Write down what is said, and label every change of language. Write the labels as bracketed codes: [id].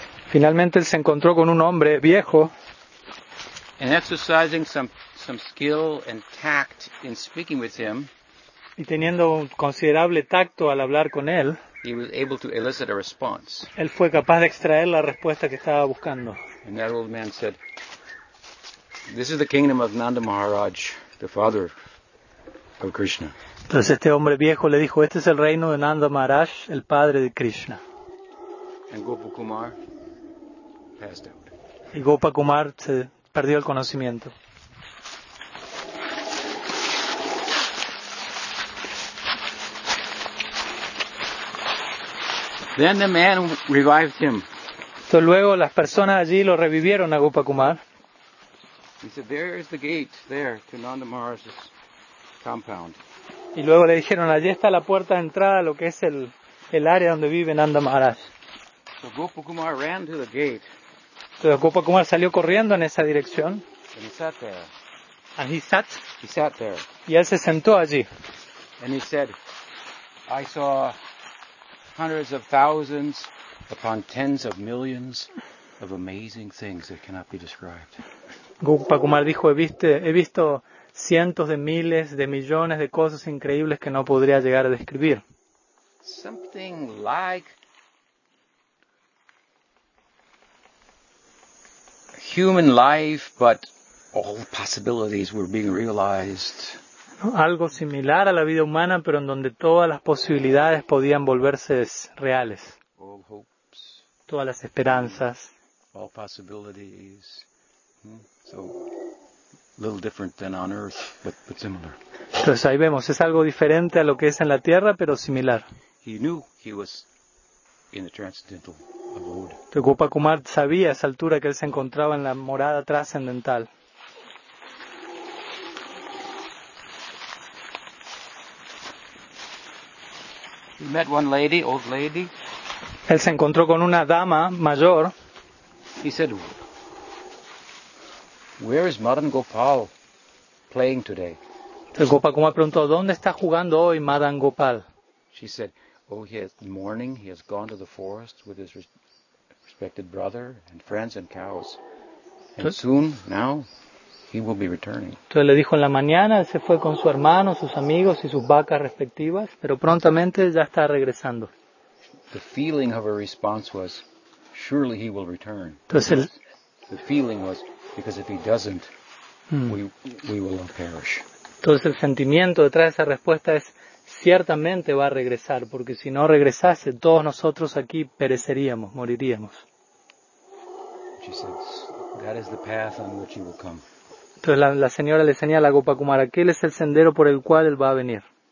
[es] Finalmente, él se encontró con un hombre viejo. [en] And exercising some skill and tact in speaking with him. [es] Y teniendo un considerable tacto al hablar con él. [en] He was able to elicit a response. [es] Él fue capaz de extraer la respuesta que estaba buscando. [en] And that old man said, "This is the kingdom of Nanda Maharaj, the father of Krishna." [es] Entonces este hombre viejo le dijo, este es el reino de Nanda Maharaj, el padre de Krishna. [en] And Gopakumar passed out. [es] Y Gopakumar se perdió el conocimiento. [en] Then the man revived him. [es] Entonces luego las personas allí lo revivieron a Gopakumar. [en] He said, there is the gate, there, to Nanda Maharaj's compound. [es] Y luego le dijeron, allí está la puerta de entrada, lo que es el área donde vive Nanda Maharaj. [en] So Gopa Kumar ran to the gate. [es] Entonces Gopa Kumar salió corriendo en esa dirección. [en] And he sat there. And he sat. He sat there. [es] Y él se sentó allí. [en] And he said, I saw hundreds of thousands upon tens of millions of amazing things that cannot be described. [es] Gopa Kumar dijo, he visto cientos de miles de millones de cosas increíbles que no podría llegar a describir. [en] Something like human life, but all possibilities were being realized. [es] ¿No? Algo similar a la vida humana, pero en donde todas las posibilidades podían volverse reales. [en] All hopes, [es] todas las esperanzas. [en] All possibilities. So, a little different than on Earth, but similar. [es] Entonces ahí vemos, es algo diferente a lo que es en la Tierra, pero similar. [en] He knew he was in the transcendental abode. [es] Entonces Gopa Kumar sabía a esa altura que él se encontraba en la morada trascendental. [en] He met one lady, old lady. [es] Él se encontró con una dama mayor. [en] He said, where is Madan Gopal playing today? [es] Gopa Kumar preguntó, ¿dónde está jugando hoy Madan Gopal? [en] She said, oh, he has mourning. He has gone to the forest with his respected brother and friends and cows. And soon, now, he will be returning. [es] Entonces le dijo, en la mañana él se fue con su hermano, sus amigos y sus vacas respectivas, pero prontamente ya está regresando. [en] The feeling of her response was, surely he will return. [es] Entonces, [en] the feeling was, because if he doesn't, we will all perish. [es] Entonces el sentimiento detrás de esa respuesta es, ciertamente va a regresar, porque si no regresase, todos nosotros aquí pereceríamos, moriríamos. [en] She says, that is the path on which he will come. [es] Entonces la señora le señala a Gopa Kumar, aquel es el sendero por el cual él va a venir.